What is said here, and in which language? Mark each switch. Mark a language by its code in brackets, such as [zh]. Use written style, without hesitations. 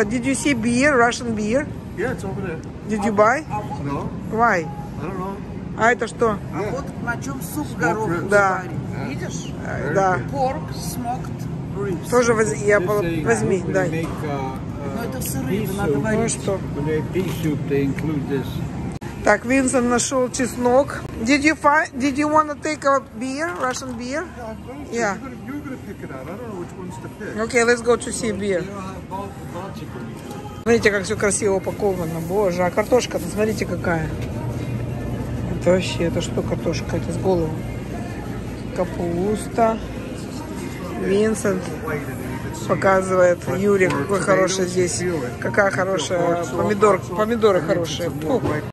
[en] Did you see beer, Russian beer? Yeah, it's over there. Did you buy? No. Why? I don't know. [ru] А это что? А вот на чем суп горох. Да. Видишь? Да. [en] Pork smoked ribs. [ru] Тоже возьми, дай. Ну это сырые, надо варить. Ну что? [en] When they make pea soup, they include this. [ru] Так, Винсент нашел чеснок. [en] Did you want to take a beer, Russian beer? Yeah, I'm yeah. Pick it out. I don't know which ones to pick. Okay, let's go to see beer. [ru] Смотрите, как все красиво упаковано. Боже, а картошка-то, смотрите, какая. Это вообще, это что картошка? Это с головы. Капуста. Винсент показывает, Юрик, какой хороший здесь, какая хорошая, помидоры хорошие. Фу.